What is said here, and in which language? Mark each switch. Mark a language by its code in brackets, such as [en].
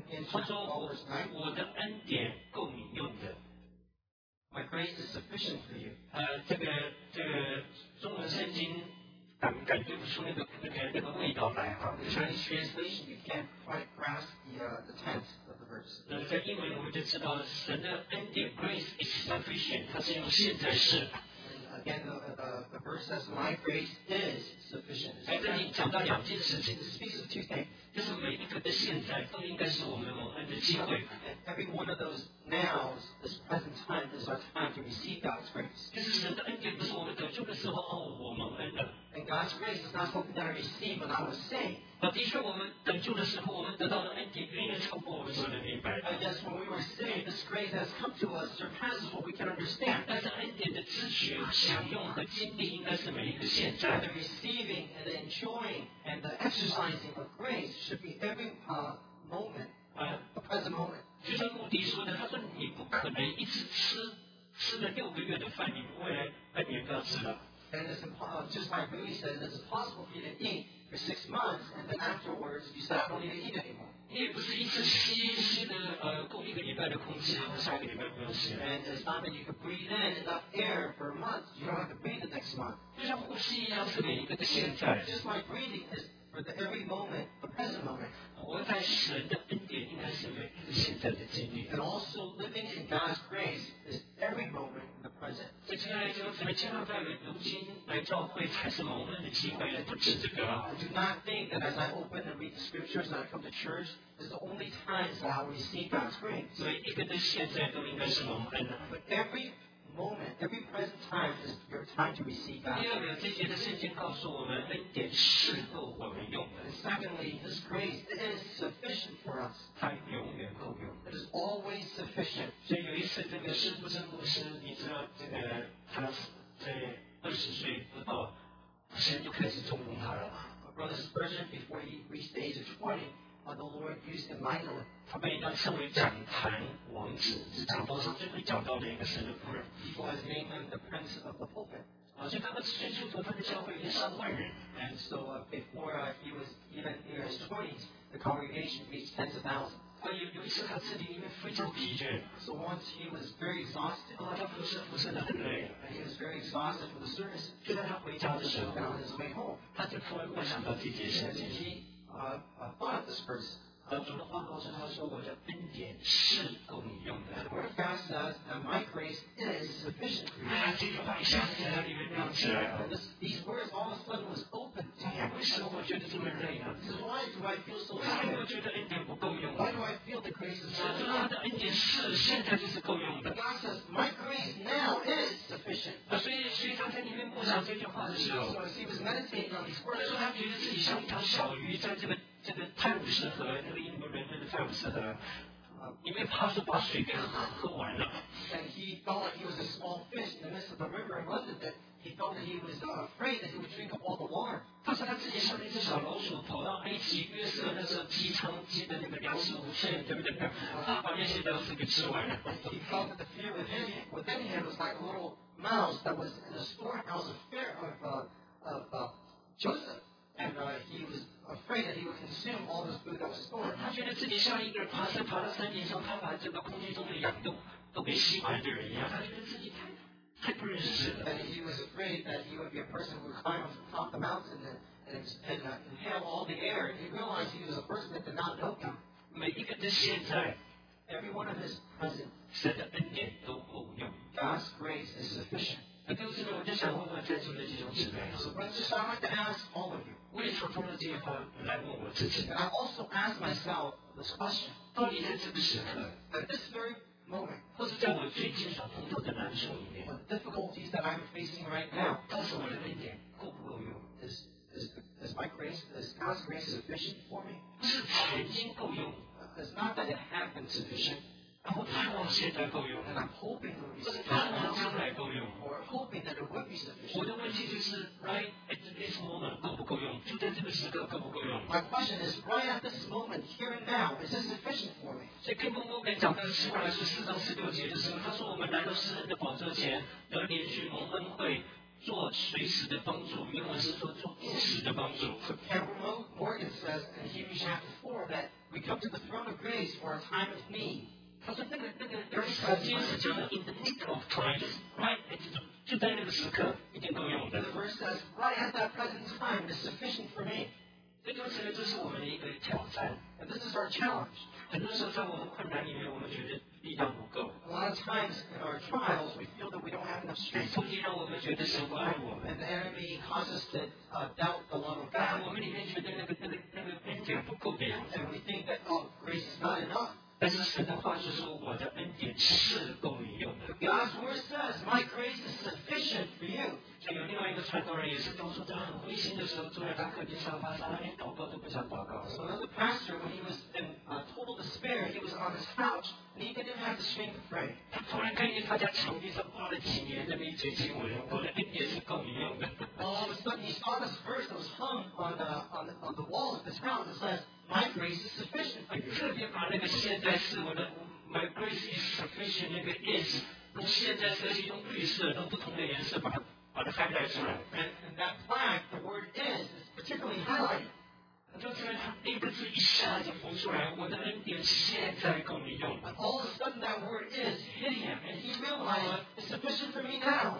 [zh] 他说我的恩典够你用的。 [en] My grace is sufficient for you。 [zh] 这个中文圣经感觉不出那个味道来哈。 [en] The Chinese translation you can't quite grasp the tense of the verse。 [zh] 那在英文我们就知道神的恩典 [en] grace is sufficient， [zh] 它是用现在式。 [en] Again, the verse says, "My grace is sufficient." [zh] 在这里讲到两件事情 [en] ，this speaks of two things. [zh] 就是每一个的现在都应该是我们蒙恩的机会。 [en] Every one of those nows, this present time, is our time to receive God's grace. [zh] 就是神的恩典不是我们得救的时候哦，我蒙恩的。 [en] And God's grace is not something that I receive when I was saved. [zh] 那的确，我们得救的时候，我们得到的恩典远远超过我们所能明白的。 [en] And yes, when we were saved, this grace has come to us surpasses what we can understand. [zh] 但是恩典的支取、享用和经历应该是每一个现在。 [en] The receiving and the enjoying and the exercising of grace should be every moment, the present moment. [zh] 就像穆迪说的，他说你不可能一直吃了六个月的饭，你不会半年不要吃了。 [en] And it's impossible, just like Rudy says, it's impossible for you to eat for 6 months, and then afterwards you say, I don't need to eat anymore. [zh] 你也不是一直吸的够一个礼拜的空气，然后下个礼拜不用吸。 [en] And it's not that you can breathe in enough air for a month, you don't have to breathe the next month. [zh] 就像呼吸一样，是每一个的现在。 [en] Just like breathing is for the every moment, the present moment. [zh] 活在神的恩典应该是每一个现在的经历。 [en] And also living in God's grace is every moment. [zh] 所以亲爱的弟兄姊妹，千万不要读经来教会才是蒙恩的机会，不止这个。 [en] Do not think that as I open and read the scriptures and I come to church, this is the only time that I will receive God's grace. [zh] 所以一个的现在都应该是蒙恩的。 [en] But every moment, every present time is your time to receive God's grace. [zh] 第二个，这节的圣经告诉我们，恩典是够我们用的。 [en] Secondly, this grace is sufficient for us. [zh] 它永远够用。 [en] It is always sufficient. [zh] 所以有一次，这个施布正牧师，你知道这个他在20岁不到，神就开始重用他了。 [en] My brother Spurgeon, before he reached the age of 20, the Lord used him mightily. [zh] 他被他称为讲坛王子，是讲道上最会讲道的一个神的仆人。 [en] People has named him the prince of the pulpit. [zh] 所以他们最初他的教会有3万人。 [en] And so before he was even in his 20s, the congregation reached tens of thousands. [zh] 有一次他自己因为非常疲倦 [en] ，so once he was very exhausted， [zh] 他服侍的很累 [en] ，and he was very exhausted from the service。 [zh] 就在他回家的时候 [en] ，on his way home， [zh] 他就突然想到这件事情 [en] ，he thought of this verse。 [zh] 主的话告诉他说，我的恩典是够你用的。 [en] The word of God says that my grace is sufficient for you。 [zh] 这句话一下子让你们亮起来了。 [en] These words all of a sudden was opened to me。 [zh] 为什么我觉得这么累啊 [en] ？So why do I feel so tired？ [zh] 我觉得恩典不够用。 [en] Why do I feel the grace is sufficient？ [zh] 主说他的恩典是现在就是够用的。 [en] God says my grace now is sufficient。 [zh] 所以他在里面默想这句话的时候 [en] ，So he was meditating on these words。 [zh] 他说他觉得自己像一条小鱼在这个。这个泰晤士河，那个英国伦敦的泰晤士河，因为怕是把水给喝完了。 [en] And he thought he was a small fish in the midst of the river in London. That he thought that he was afraid that he would drink up all the water. [zh] 他说他自己像一只小老鼠，跑到埃及约瑟那时候提仓积的那个粮食无限，对不对？他把那些粮食给吃完了。 [en] He felt that the fear within him was like a little mouse that was in a storehouse of fear of Joseph. And he was afraid that he would consume all this food that was stored. [zh] 他觉得自己像一个爬山，爬到山顶上，他把这个空气中的氧都给吸完的人一样。他觉得自己太不认识了。 [en] And he was afraid that he would be a person who would climb up top the mountain and inhale all the air. He realized he was a person that did not know God. [zh] 每一个的现在 [en] ，every one of his present， [zh] 神的恩典都够用。 [en] God's grace is sufficient. [zh] 那就是我就想问问在座的弟兄姊妹 [en] ，So I just like to ask all of you， [zh] 为什么通过这句话来问我自己 [en] ？I also ask myself this question， [zh] 到底在这个时刻 [en] ，at this very moment， [zh] 或者在我最经常碰到的难处里面。 [en] What difficulties that I'm facing right now? [zh] 但是我的恩典够不够用？ [en] Is my grace, is God's grace sufficient for me? [zh] 是曾经够用。 [en] It's not that it has been sufficient. [zh] 然后盼望现在够用。 [en] And I'm hoping it will be sufficient. [zh] 盼望将来够用。 [en] Or hoping that it will be sufficient. [zh] 我的问题就是 [en] right at this moment [zh] 够不够用？就在这个时刻够不够用？ [en] My question is right at this moment, here and now, is it sufficient for me? [zh] 所以根本我们讲到希伯来书四章十六节的时候，他说我们来到施恩的宝座前，得连续蒙恩惠。做随时的帮助，英文是说做一时的帮助。 [en] Campbell Morgan says in Hebrews chapter 4 that we come to the throne of grace for a time of need. [zh] 他说那个首先是讲 [en] in the nick of time, right? [zh] 就在那个时刻一定够用的。 [en] The verse says right at that present time is sufficient for me. [zh] 这就是我们的一个挑战。 [en] And this is our challenge. [zh] 很多时候在我们困难里面，我们觉得。 [en] A lot of times in our trials, we feel that we don't have enough strength. And, you know, we to survive. And the enemy causes us to doubt the love of God. And we think that, oh, grace is not enough. [zh] 但是神的话就说我的恩典是够你用的。 [en] God's word says, my grace is sufficient for you. [zh] 所以有另外一个传道人也是跟我说，在很灰心的时候，坐在他客厅沙发上，他连祷告都不想祷告。 [en] So another pastor, when he was in total despair, he was on his couch, and he didn't have the strength to pray. [zh] 他突然看见他家墙壁上挂了几年的一卷经文，我的恩典是够你用的。 [en] All of a sudden, he saw this verse that was hung on the wall of his house and says,My grace is sufficient for you. [zh] 特别把那个现在是我的 [en] My grace is sufficient [zh] 那个 is 从现在设计用绿色都不同的颜色把它 highlight 出来 [en] And that plaque, the word is particularly highlighted. [zh] 就是它那个字一下子浮出来我的恩典现在够你用 [en] But all of a sudden that word is hitting him and he realized it's sufficient for me now.